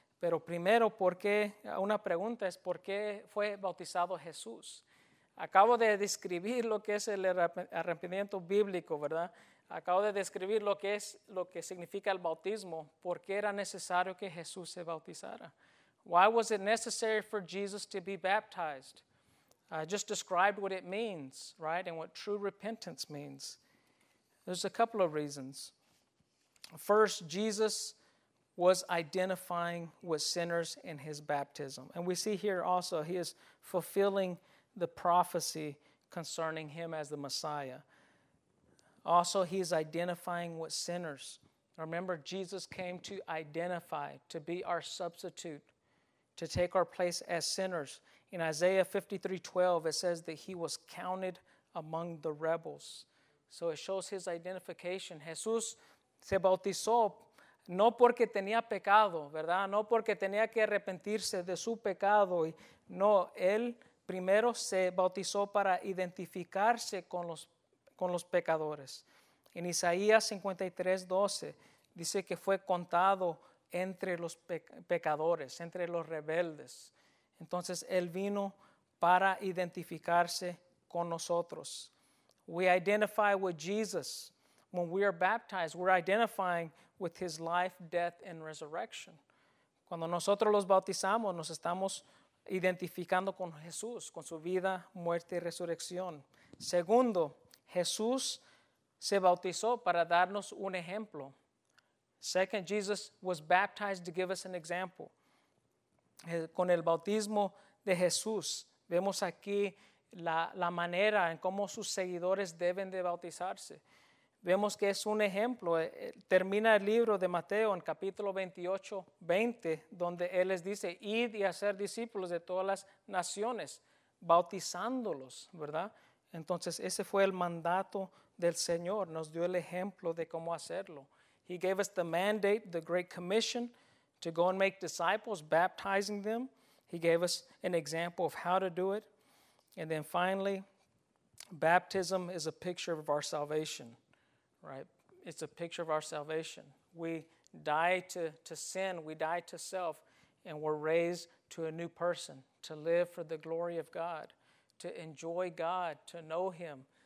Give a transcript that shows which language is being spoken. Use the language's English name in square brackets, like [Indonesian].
[Spanish] Pero primero, una pregunta es, ¿por qué fue bautizado Jesús? Acabo de describir lo que es el arrepentimiento bíblico, ¿verdad? Acabo de describir lo que significa el bautismo. ¿Por qué era necesario que Jesús se bautizara? [English] Why was it necessary for Jesus to be baptized? I just described what it means, right? And what true repentance means. There's a couple of reasons. First, Jesus was identifying with sinners in his baptism. And we see here also he is fulfilling the prophecy concerning him as the Messiah. Also, he is identifying with sinners. Remember, Jesus came to identify, to be our substitute, to take our place as sinners. In Isaiah 53:12, it says that he was counted among the rebels. So it shows his identification. [Spanish] Jesús se bautizó no porque tenía pecado, ¿verdad? No porque tenía que arrepentirse de su pecado. No, él primero se bautizó para identificarse con los pecadores. En Isaías 53:12 dice que fue contado entre los pecadores, entre los rebeldes. Entonces él vino para identificarse con nosotros. [English] We identify with Jesus. When we are baptized, we're identifying with his life, death, and resurrection. [Spanish] Cuando nosotros los bautizamos, nos estamos identificando con Jesús, con su vida, muerte y resurrección. Segundo, Jesús se bautizó para darnos un ejemplo. [English] Second, Jesus was baptized to give us an example. [Spanish] Con el bautismo de Jesús, vemos aquí la manera en cómo sus seguidores deben de bautizarse. Vemos que es un ejemplo. Termina el libro de Mateo en capítulo 28:20, donde él les dice, id y hacer discípulos de todas las naciones, bautizándolos, ¿verdad? Entonces, ese fue el mandato del Señor. Nos dio el ejemplo de cómo hacerlo. [English] He gave us the mandate, the great commission, to go and make disciples, baptizing them. He gave us an example of how to do it. And then finally, baptism is a picture of our salvation, right? It's a picture of our salvation. We die to sin, we die to self, and we're raised to a new person, to live for the glory of God, to enjoy God, to know him.